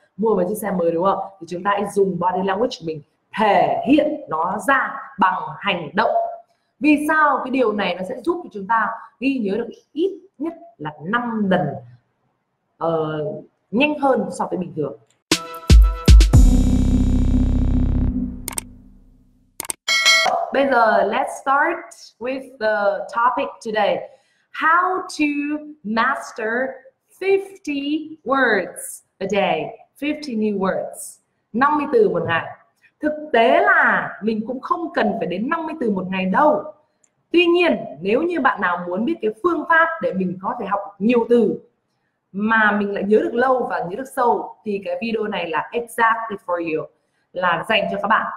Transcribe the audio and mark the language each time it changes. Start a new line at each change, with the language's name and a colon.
Vietnamese: Mua một chiếc xe mới đúng không? Thì chúng ta hãy dùng body language mình thể hiện nó ra bằng hành động. Vì sao? Cái điều này nó sẽ giúp cho chúng ta ghi nhớ được ít nhất là 5 lần nhanh hơn so với bình thường.
English: Bây giờ, let's start with the topic today. How to master 50 words a day, 50 new words,
Vietnamese: 50 từ một ngày. Thực tế là mình cũng không cần phải đến 50 từ một ngày đâu. Tuy nhiên, nếu như bạn nào muốn biết cái phương pháp để mình có thể học nhiều từ mà mình lại nhớ được lâu và nhớ được sâu thì cái video này là
English: exactly for you,
Vietnamese: là dành cho các bạn.